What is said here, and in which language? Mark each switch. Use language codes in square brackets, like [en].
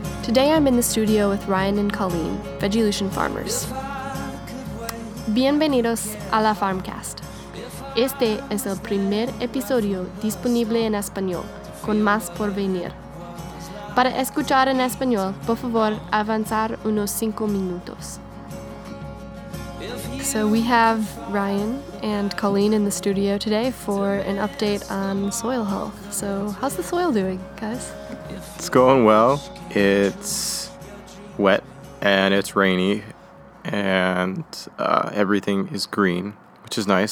[en] Today I'm in the studio with Ryan and Colleen, Veggielution farmers. [es] Bienvenidos a la Farmcast. Este es el primer episodio disponible en español, con más por venir. Para escuchar en español, por favor, avanzar unos 5 minutos. [en] So we have Ryan and Colleen in the studio today for an update on soil health. So how's the soil doing, guys? It's going well. It's wet and it's rainy and everything is green, which is nice.